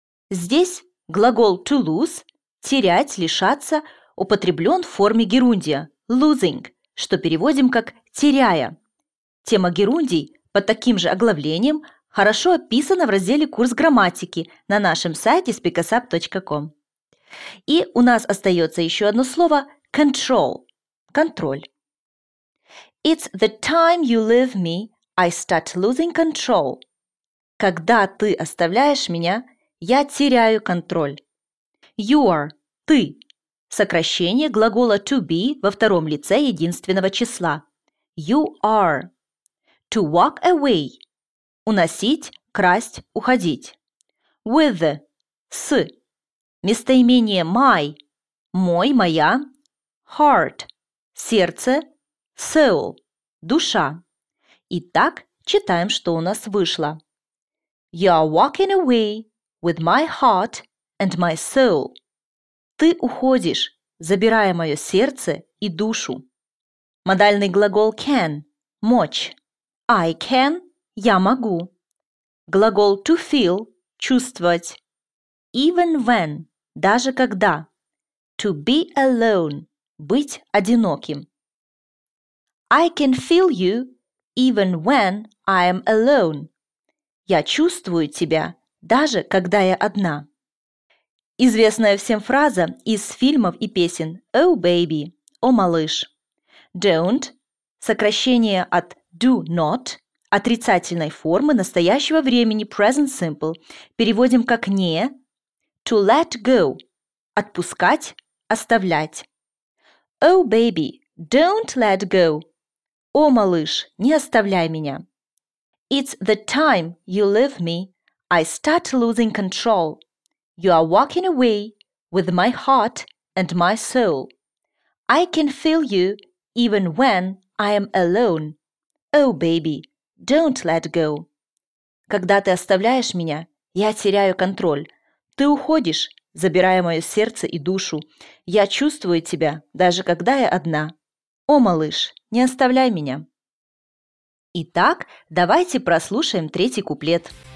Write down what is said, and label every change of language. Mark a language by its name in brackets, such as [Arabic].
[Russian] Здесь глагол to lose – терять, лишаться, употреблен в форме герундия – losing, что переводим как «теряя». Тема герундий под таким же оглавлением хорошо описана в разделе «Курс грамматики» на нашем сайте speakasap.com. И у нас остается еще одно слово «control» – контроль. [English] It's the time you leave me, I start losing control. [Russian] Когда ты оставляешь меня, я теряю контроль. [English] You are [Russian] – ты – сокращение глагола [English] to be [Russian] во втором лице единственного числа. [English] You are. To walk away [Russian] – уносить, красть, уходить. With – с. Местоимение my – мой, моя. Heart – сердце. Soul – душа. Итак, читаем, что у нас вышло. [English] You are walking away with my heart and my soul. [Russian] Ты уходишь, забирая мое сердце и душу. Модальный глагол can – мочь. [English] I can [Russian] – я могу. Глагол to feel – чувствовать. [English] Even when [Russian] – даже когда. [English] To be alone [Russian] – быть одиноким. [English] I can feel you even when I am alone. [Russian] Я чувствую тебя, даже когда я одна. Известная всем фраза из фильмов и песен [English] «Oh, baby», [Russian] «О, малыш». Don't – сокращение от [English] do not [Russian] – отрицательной формы настоящего времени present simple. Переводим как «не» – [English] to let go [Russian] – отпускать, оставлять. [English] Oh, baby, don't let go. [Russian] О, малыш, не оставляй меня. [English] It's the time you leave me, I start losing control. You are walking away with my heart and my soul. I can feel you even when I am alone. Oh, baby, don't let go. [Russian] Когда ты оставляешь меня, я теряю контроль. Ты уходишь, забирая мое сердце и душу. Я чувствую тебя, даже когда я одна. О, малыш, не оставляй меня. Итак, давайте прослушаем третий куплет.